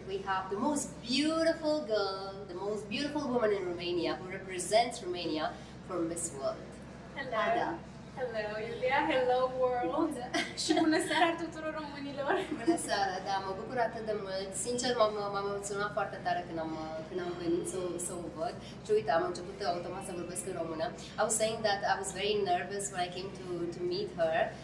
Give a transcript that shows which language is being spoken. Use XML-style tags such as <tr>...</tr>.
<en>We have the most beautiful girl, the most beautiful woman in Romania who represents Romania for Miss World. Hello. Ada. Hello, Iulia. Hello, world.</en> <ro>Și bună seara tuturor românilor. Bună seara, da, mă bucur atât de mult. Sincer, m-am emoționat foarte tare când am venit să o văd. Și uite, am început automat să vorbesc în română.</ro> <en>I was saying that I was very nervous when I came to meet her.</en>